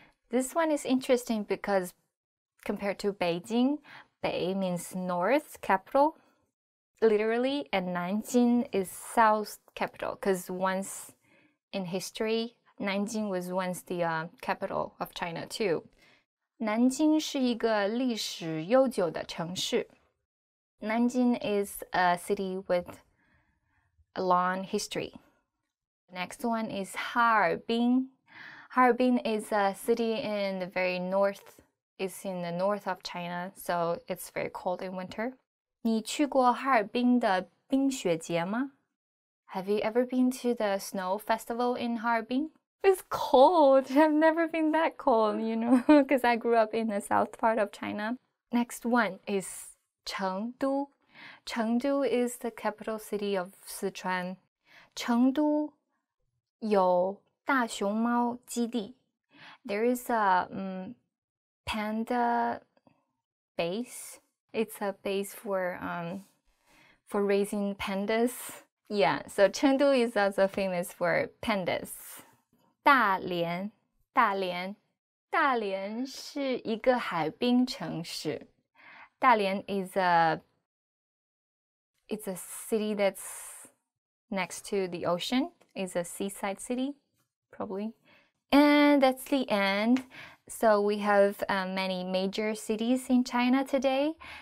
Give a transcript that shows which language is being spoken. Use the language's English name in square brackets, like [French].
[English] This one is interesting because compared to Beijing, Bei means north capital, literally, and Nanjing is south capital, because once in history, Nanjing was once the capital of China too. [Chinese] 南京是一个历史悠久的城市. [English] Nanjing is a city with a long history. Next one is Harbin. Harbin is a city in the very north. It's in the north of China, so it's very cold in winter. [Chinese] 你去过哈尔滨的冰雪节吗? [English] Have you ever been to the snow festival in Harbin? It's cold. I've never been that cold, you know, because I grew up in the south part of China. Next one is Chengdu. Chengdu is the capital city of Sichuan. [Chinese] 成都有大熊猫基地. [English] There is a panda base. It's a base for raising pandas. Yeah, so Chengdu is also famous for pandas. [Chinese] 大连, 大连, 大连是一个海滨城市. [English] 大连 is a city that's next to the ocean. It's a seaside city, probably. And that's the end. So we have many major cities in China today.